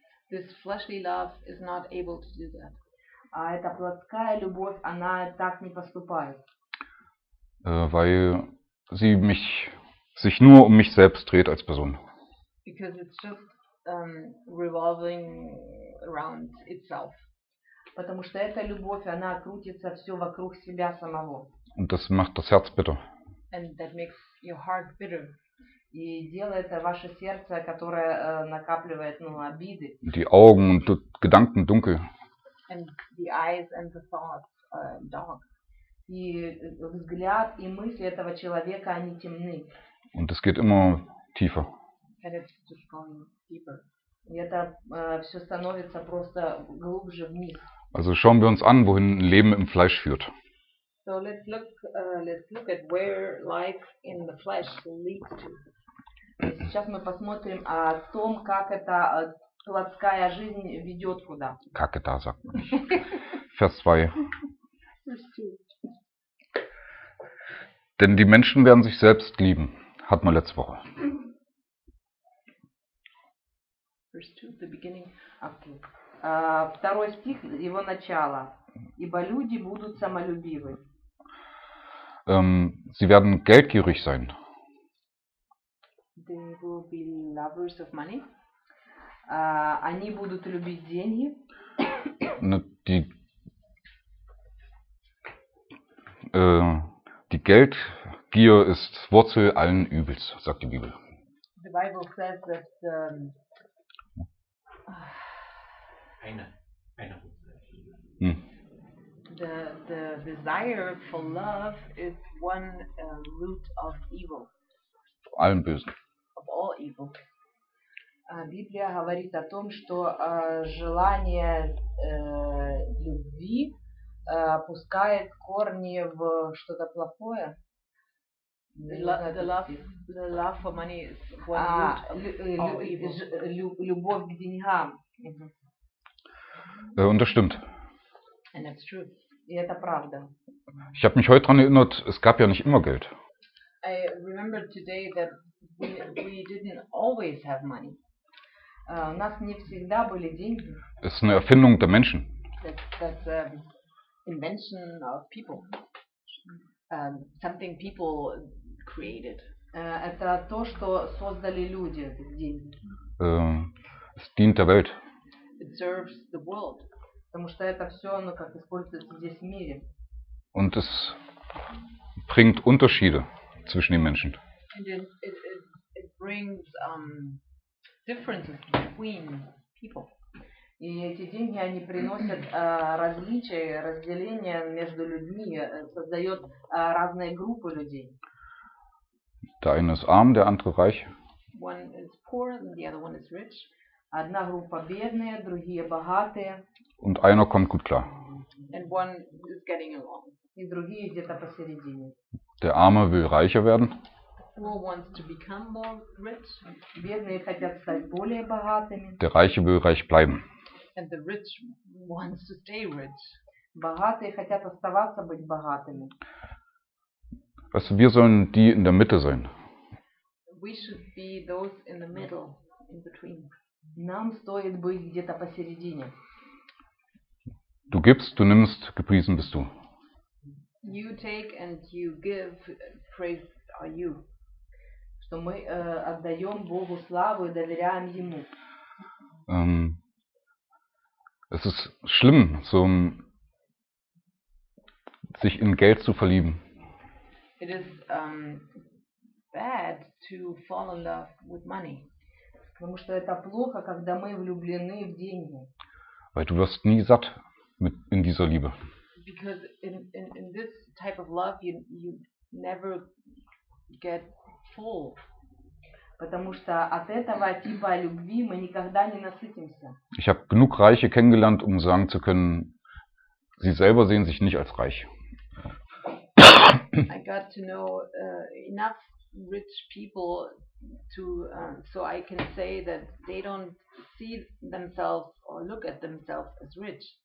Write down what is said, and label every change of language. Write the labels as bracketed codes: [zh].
[en] This fleshly love is not able to do that. [ru] А эта плотская любовь, она так не поступает. [de] Weil sie sich nur um mich selbst dreht als Person. [en] Because it's just revolving around itself. [ru] Потому что эта любовь, она крутится все вокруг себя самого. [de] Und das macht das Herz bitter. [en] And that makes your heart bitter. [ru] И делает ваше сердце, которое накапливает обиды. [de] Die Augen und Gedanken dunkel. [en] And the eyes and the thoughts dark. [ru] И взгляд и мысли этого человека, они темны. [de] Und es geht immer tiefer. [en] And it's just going deeper. [ru] И это все становится просто глубже вниз. [de] Also schauen wir uns an, wohin Leben im Fleisch führt. [en] So let's look at where life in the flesh leads to. [ru] Сейчас мы посмотрим о том, как эта плотская жизнь ведет куда. Как это, [de] sagt man nicht. Vers 2. Denn die Menschen werden sich selbst lieben, hatten wir letzte Woche. Vers 2, [en] the beginning of the... [ru] Второй стих, его начало. Ибо люди будут самолюбивы. [de] Sie werden geldgierig sein. [en] They will be lovers of money. [ru] Они будут любить деньги. [de] Die Geldgier ist Wurzel allen Übels, sagt die Bibel. [en] The Bible says that... The desire for love is one root of evil. [de] Allen Bösen. [en] Of all evil. [ru] Библия говорит о том, что желание любви пускает корни в что-то плохое. [en] The love for money is one root of evil. [ru] Любовь к деньгам. [de] Und das stimmt. [en] And that's true. [ru] И это правда. [de] Ich habe mich heute daran erinnert, es gab ja nicht immer Geld. [en] I remember today that we didn't always have money. [ru] У нас не всегда были деньги. [de] Es ist eine Erfindung der Menschen. [en] That's an invention of people. Something people created. [ru] Это то, что создали люди, деньги. [de] Es dient der Welt. [en] It serves the world. [ru] Потому что это все, оно как используется здесь в мире. [de] Und es bringt Unterschiede zwischen den Menschen. [en] And it brings differences between people. [ru] И эти деньги, они приносят различия, разделения между людьми, создает разные группы людей. [de] Der eine ist arm, der andere reich. [en] One is poor and the other one is rich. [ru] Одна группа бедные, другие богатые. [de] Und einer kommt gut klar. [en] And one is getting along. [ru] И другие где-то посередине. [de] Der Arme will reicher werden. [en] Poor wants to become more rich. [ru] Бедные хотят стать более богатыми. [de] Der Reiche will reich bleiben. [en] And the rich wants to stay rich. [ru] Богатые хотят оставаться быть богатыми. [de] Also wir sollen die in der Mitte sein. [en] We should be those in the middle, in between. [ru] Нам стоит быть где-то посередине. [de] Du gibst, du nimmst, gepriesen bist du. [en] You take and you give, praised are you. [ru] Что мы отдаем Богу славу и доверяем Ему. [de] Es ist schlimm, sich in Geld zu verlieben. [en] It is bad to fall in love with money. [ru] Потому что это плохо, когда мы влюблены в деньги. [de] Weil du wirst nie satt mit in dieser Liebe. [en] Because in this type of love you never get full. [ru] Потому что от этого типа любви мы никогда не насытимся. [de] Ich habe genug Reiche kennengelernt, um sagen zu können, sie selber sehen sich nicht als reich. [en] I got to know enough rich people to so I can say that they don't see themselves or look at themselves as rich.